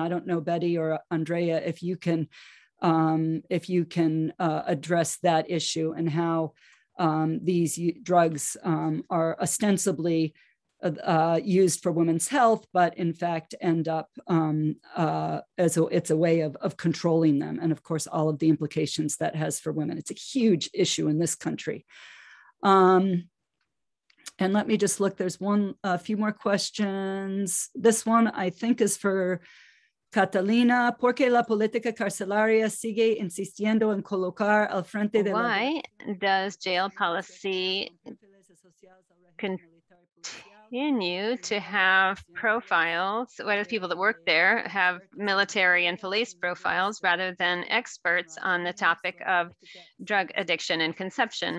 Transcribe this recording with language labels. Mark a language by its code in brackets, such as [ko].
[en] I don't know, Betty or Andrea, if you can address that issue and how these drugs are ostensibly used for women's health, but in fact end up it's a way of controlling them. And of course, all of the implications that has for women. It's a huge issue in this country. And let me just look, there's a few more questions. This one I think is for Catalina. [es] ¿Por qué la política carcelaria sigue insistiendo en colocar al frente de la... [en] Why does jail policy continue to have profiles, whereas people that work there have military and police profiles rather than experts on the topic of drug addiction and conception?